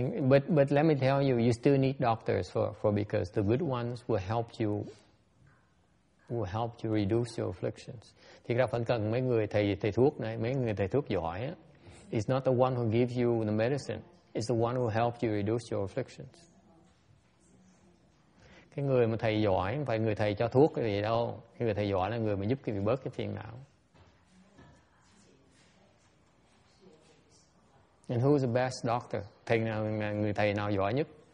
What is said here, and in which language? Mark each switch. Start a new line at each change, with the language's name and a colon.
English: But let me tell you, you still need doctors for because the good ones will help you reduce your afflictions.
Vietnamese: Thì ra phải cần mấy người thầy thuốc này, mấy người thầy thuốc giỏi á.
English: It's not the one who gives you the medicine. It's the one who helps you reduce your afflictions.
Vietnamese: Cái người mà thầy giỏi không phải người thầy cho thuốc cái gì đâu. Cái người thầy giỏi là người mà giúp cái bớt cái phiền não.
English: And who's the best doctor?
Vietnamese: Thầy nào, người thầy nào giỏi nhất?